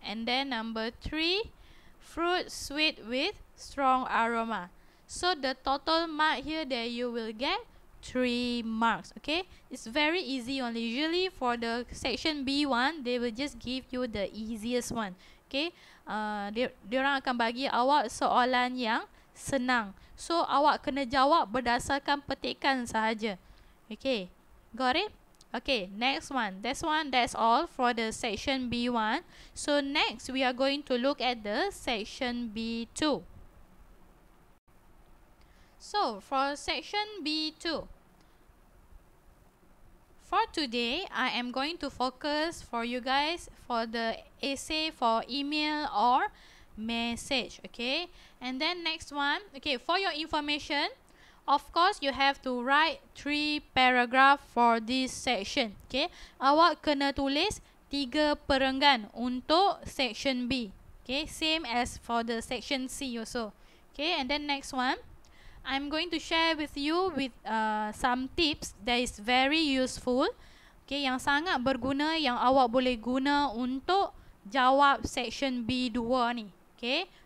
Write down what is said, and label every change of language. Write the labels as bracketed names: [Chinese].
[English] And then number three, fruit sweet with strong aroma. So the total mark here that you will get 3 marks. Okay, it's very easy only. Usually for the section B1, they will just give you the easiest one. [Malay] Okay, diorang akan bagi awak soalan yang senang. So awak kena jawab berdasarkan petikan sahaja. Okay. [English] Got it? Okay, next one. This one, that's all for the section B1. So, next, we are going to look at the section B2. So, for section B2, for today, I am going to focus for you guys for the essay for email or message, okay? And then next one, okay, for your information, of course, you have to write 3 paragraph for this section. [Malay] Okay, awak kena tulis 3 perenggan untuk section B. [English] Okay, same as for the section C also. Okay, and then next one, I'm going to share with you with some tips that is very useful. [Malay] Okay, yang sangat berguna yang awak boleh guna untuk jawab section B2 ni. Okay.